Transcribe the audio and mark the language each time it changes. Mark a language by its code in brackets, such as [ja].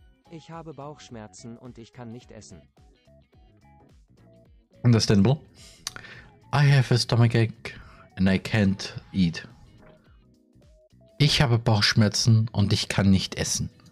[de] Ich habe Bauchschmerzen und ich kann nicht essen. [en] Understandable. I have a stomachache and I can't eat. [de] Ich habe Bauchschmerzen und ich kann nicht essen.